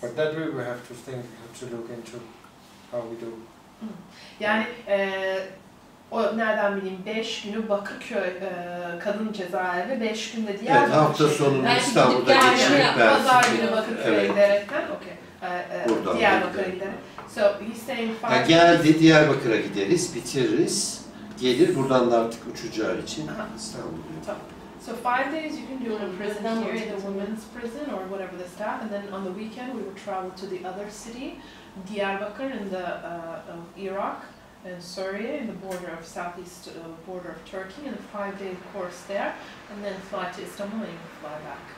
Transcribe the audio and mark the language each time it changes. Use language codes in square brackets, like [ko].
[en] But that way we have to think, have to look into how we do. [tr] Yani o nereden bileyim 5 günü Bakırköy kadın cezaevi, 5 gün de diğer. Evet, hafta sonu İstanbul'da geçirip ben. Pazar günü Bakırköy'e giderekten, okay. Diyarbakır'a gideriz. [en] So he's saying [tr] five. Ya geldi Diyarbakır'a gideriz, bitiririz. Gelir buradan da artık uçacağı için İstanbul'a. [en] So 5 days you can do in a prison here, the women's prison or whatever the staff, and then on the weekend we will travel to the other city, Diyarbakir in the Iraq and Suriye in the border of southeast border of Turkey, and a 5-day course there, and then fly to Istanbul and fly back.